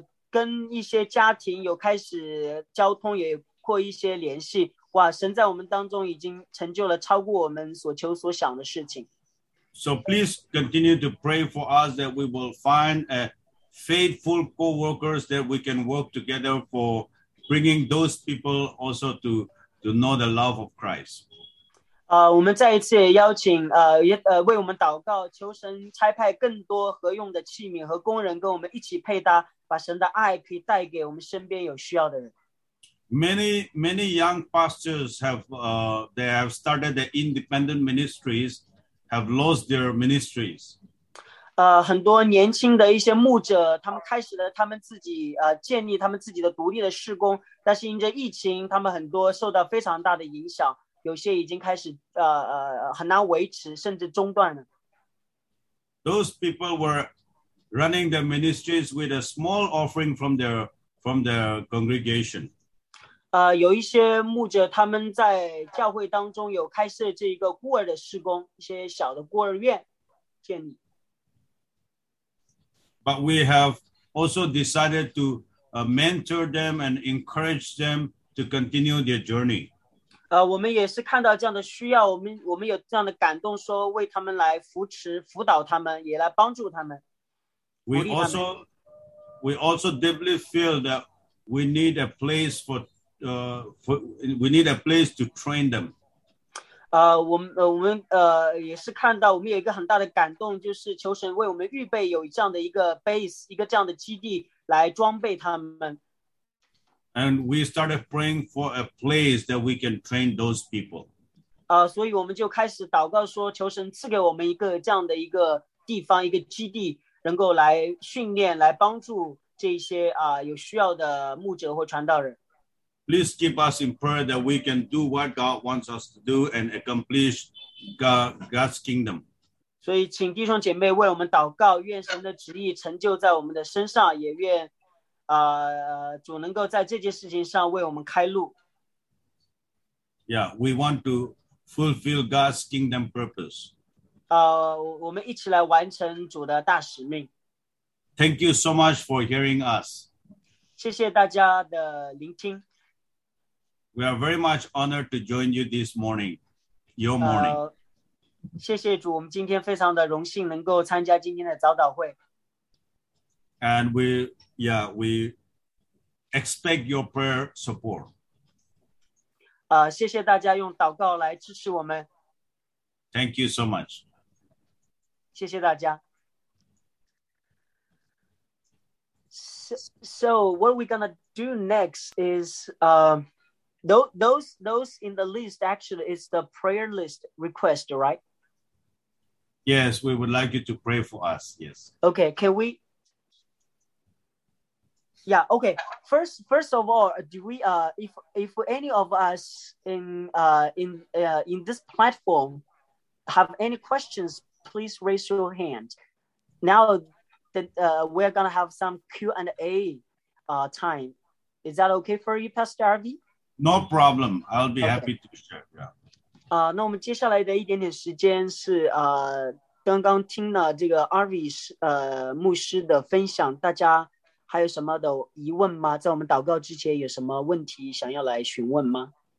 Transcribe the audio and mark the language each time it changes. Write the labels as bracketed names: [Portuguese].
[Chinese] 跟一些家庭有开始交通，也过一些联系。哇，神在我们当中已经成就了超过我们所求所想的事情。 [English] So please continue to pray for us that we will find faithful co-workers that we can work together for bringing those people also to know the love of Christ. [Chinese] 我们再一次邀请为我们祷告，求神差派更多合用的器皿和工人跟我们一起配搭，把神的爱可以带给我们身边有需要的人。 [English] Many young pastors have started their independent ministries, have lost their ministries. [Chinese] 很多年轻的一些牧者，他们开始了他们自己建立他们自己的独立的事工，但是因着疫情，他们很多受到非常大的影响。有些已经开始很难维持，甚至中断了。 [English] Those people were running their ministries with a small offering from their congregation. [Chinese] 有一些牧者他们在教会当中有开设这个孤儿的事工，一些小的孤儿院建立。 [English] But we have also decided to mentor them and encourage them to continue their journey. [Chinese] 我们也是看到这样的需要，我们有这样的感动，说为他们来扶持、辅导他们，也来帮助他们。 [English] We also deeply feel that we need a place to train them. [Chinese] 我们也是看到，我们有一个很大的感动，就是求神为我们预备有这样的一个 base， 一个这样的基地来装备他们。 [English] And we started praying for a place that we can train those people. [Chinese] 所以我们就开始祷告说，求神赐给我们一个这样的一个地方，一个基地，能够来训练，来帮助这些有需要的牧者或传道人。 [English] Please keep us in prayer that we can do what God wants us to do and accomplish God's kingdom. [Chinese] 所以请弟兄姐妹为我们祷告，愿神的旨意成就在我们的身上，也愿主能够在这件事情上为我们开路。 [English] Yeah, we want to fulfill God's kingdom purpose. [Chinese] 我们一起来完成主的大使命。 [English] Thank you so much for hearing us. [Chinese] 谢谢大家的聆听。 [English] We are very much honored to join you this morning, your morning. [Chinese] 谢谢主，我们今天非常的荣幸能够参加今天的早祷会。 [English] And we expect your prayer support. [Chinese] 谢谢大家用祷告来支持我们。 [English] Thank you so much. [Chinese] 谢谢大家。 [English] So what we're gonna do next is those in the list actually is the prayer list request, right? Yes, we would like you to pray for us. Yes. Okay. Can we? Yeah, okay. First of all, do we if any of us in this platform have any questions, please raise your hand. Now that we're going to have some Q&A time. Is that okay for you, Pastor RV? No problem. I'll be happy to share. Yeah. [Chinese] 那我们接下来的一点点时间是刚刚听了这个 RV 牧师的分享，大家还有什么的疑问吗？在我们祷告之前，有什么问题想要来询问吗？